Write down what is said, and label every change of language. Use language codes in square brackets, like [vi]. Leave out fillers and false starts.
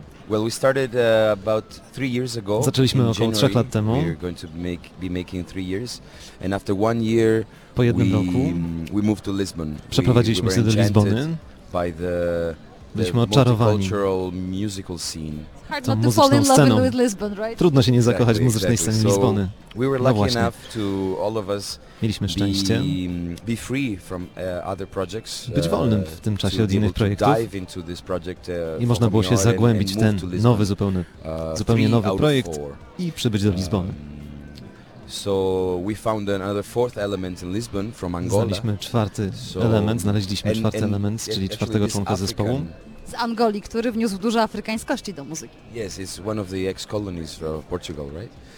[en] We started about 3 years ago. [pl] Zaczęliśmy [en] in [pl] około [en] January, [pl] 3 lat temu. [en] We're going to be making 3 years. And after 1 year, [pl] po jednym roku [en] we moved to Lisbon. [pl] Przeprowadziliśmy się do Lizbony. [en] By the [pl] byliśmy oczarowani [en] cultural musical scene. [pl] Tą muzyczną sceną. [en] Lisbon, right? [pl] Trudno się nie zakochać w muzycznej scenie Lizbony. [en] We were lucky enough to all of us [pl] mieliśmy szczęście [en] be free from other projects, [pl] być wolnym w tym czasie od innych projektów [en] into this project, [pl] i można było się zagłębić w ten nowy, zupełnie nowy projekt i przybyć do Lizbony. [en] So we found another fourth element in Lisbon from Angola. [pl] Znaleźliśmy czwarty element, czyli czwartego członka zespołu. Z Angolii, który wniósł dużo afrykańskości do muzyki. [en] Yes, it's one of the ex-colonies of Portugal, right?